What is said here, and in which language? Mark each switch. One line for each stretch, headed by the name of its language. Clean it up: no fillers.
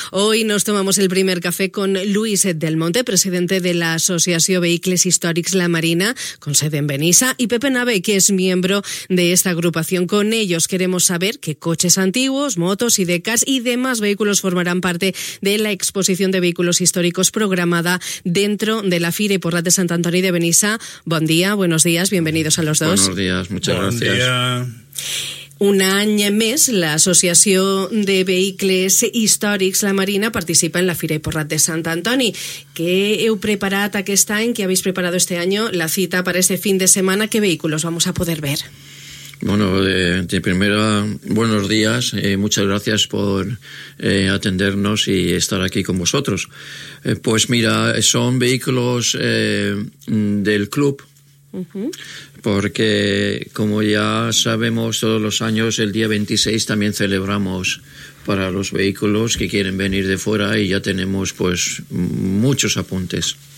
Spanish: Hoy nos tomamos el primer café con Luis del Monte, presidente de la Asociación Vehicles Històrics La Marina, con sede en Benissa, y Pepe Nave, que es miembro de esta agrupación. Con ellos queremos saber qué coches antiguos, motos y decas y demás vehículos formarán parte de la exposición de vehículos históricos programada dentro de la Fira y Porrat de Sant Antoni de Benissa. Buen día, buenos días, bienvenidos a los dos. Buenos días, muchas gracias. Buen día.
Catalan: Un any més, l'Associació de Vehicles Històrics La Marina participa en la Fira i Porrat de Sant Antoni. Què heu preparat aquest any?
Spanish: Què habéis preparado este año? La cita para este fin de semana. ¿Qué vehículos vamos a poder ver? Bueno, de primera, buenos días, muchas gracias por atendernos y estar aquí con vosotros. Pues mira, son vehículos del club, porque como ya sabemos, todos los años, el día 26 también celebramos para los vehículos que quieren venir de fuera y ya tenemos pues muchos apuntes.